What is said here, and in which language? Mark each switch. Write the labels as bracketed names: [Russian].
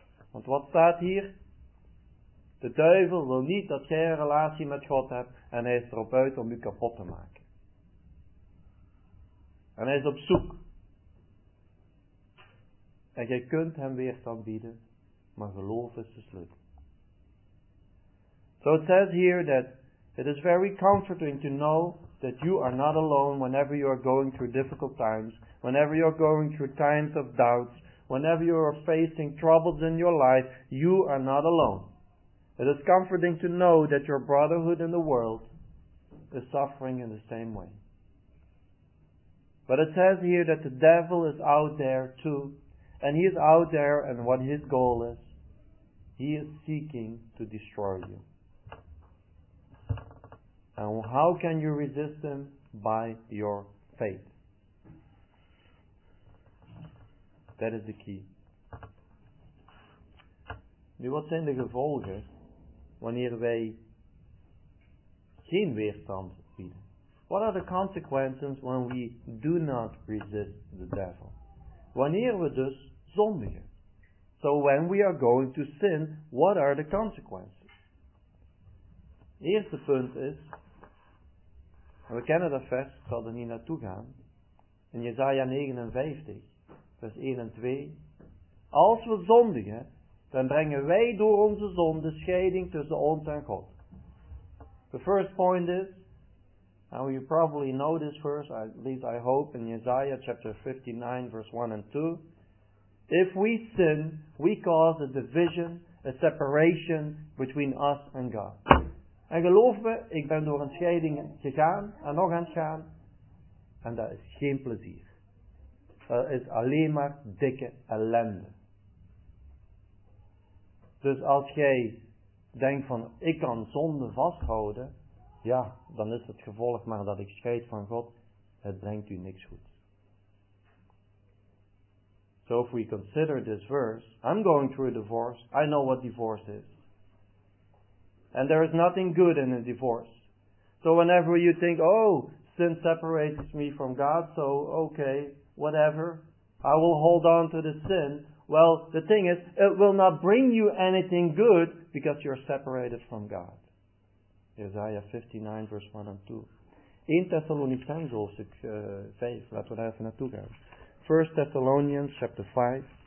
[Dutch] Want wat staat hier? De duivel wil niet dat jij een relatie met God hebt en hij is erop uit om u kapot te maken. En hij is op zoek. En jij kunt hem weerstand bieden, maar geloof is de sleutel. [English] So it says here that it is very comforting to know that you are not alone whenever you are going through difficult times, whenever you are going through times of doubts, whenever you are facing troubles in your life, you are not alone. It is comforting to know that your brotherhood in the world is suffering in the same way. But it says here that the devil is out there too, and he is out there, and what his goal is, he is seeking to destroy you. And how can you resist him? By your faith. That is the key. [Dutch] Nu, wat zijn de gevolgen wanneer wij geen weerstand bieden? [English] What are the consequences when we do not resist the devil? [Dutch] Wanneer we dus zondigen. [English] So when we are going to sin, what are the consequences? [Dutch] Eerste punt is, en we kennen dat vers, ik zal er niet naartoe gaan, in Jesaja 59, vers 1 en 2, als we zondigen, dan brengen wij door onze zonde scheiding tussen ons en God. [English] The first point is, now you probably know this verse, at least I hope, in Isaiah chapter 59 verse 1 and 2. If we sin, we cause a division, a separation between us and God. [Dutch] En geloof me, ik ben door een scheiding gegaan en nog aan het gaan. En dat is geen plezier. Dat is alleen maar dikke ellende. Dus als jij denkt van, ik kan zonde vasthouden, ja, dan is het gevolg maar dat ik scheid van God, het brengt u niks goed. [English] So if we consider this verse, I'm going through a divorce, I know what divorce is. And there is nothing good in a divorce. So whenever you think, oh, sin separates me from God, so okay, whatever, I will hold on to the sin. Well, the thing is, it will not bring you anything good because you're separated from God. Isaiah 59 verse 1 and 2. [Dutch] In Thessalonians hoofdstuk 5, laten we daar even naartoe gaan. [English] 1 Thessalonians chapter 5.